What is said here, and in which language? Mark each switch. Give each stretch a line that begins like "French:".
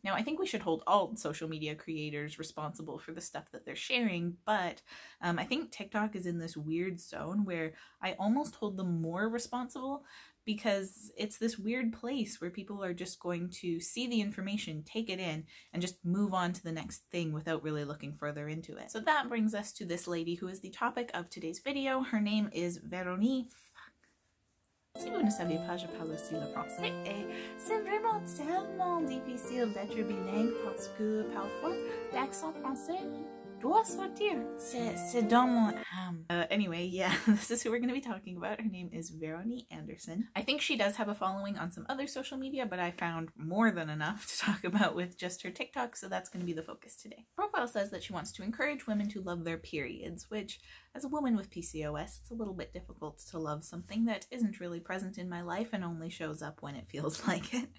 English: Now, I think we should hold all social media creators responsible for the stuff that they're sharing, but I think TikTok is in this weird zone where I almost hold them more responsible because it's this weird place where people are just going to see the information, take it in, and just move on to the next thing without really looking further into it. So that brings us to this lady who is the topic of today's video. Her name is Véronique.
French: Si vous ne saviez pas, je parle aussi le français et c'est vraiment tellement difficile d'être bilingue parce que parfois l'accent français doit sortir. C'est dans mon âme.
English: Anyway, yeah, this is who we're going to be talking about. Her name is Véronique Anderson. I think she does have a following on some other social media, but I found more than enough to talk about with just her TikTok, so that's going to be the focus today. Her profile says that she wants to encourage women to love their periods, which, as a woman with PCOS, it's a little bit difficult to love something that isn't really present in my life and only shows up when it feels like it.